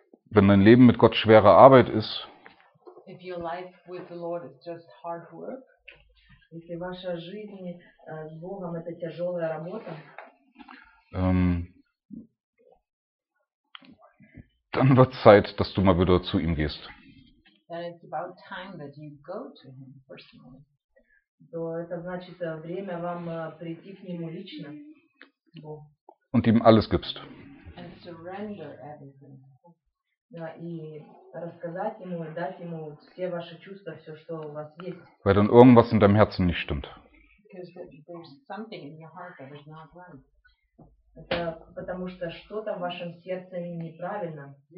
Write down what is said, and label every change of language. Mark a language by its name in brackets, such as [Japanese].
[German] Wenn dein Leben mit Gott schwere Arbeit ist, [English] if your life with the Lord is just hard work, [Russian] если ваша жизнь с Богом это тяжелая работа, [German] dann wird es Zeit, dass du mal wieder zu ihm gehst. [English] Then it's about time that you go to him personally. [Russian] То это значит время вам прийти к нему лично. [German] Und ihm alles gibst. [English] And surrender everything. [Russian] Да, и рассказать ему, дать ему все ваши чувства, все, что у вас есть. [German] Weil dann irgendwas in deinem Herzen nicht stimmt. [English] Because there's something in your heart that is not right. [Russian] Это потому что что-то в вашем сердце неправильно.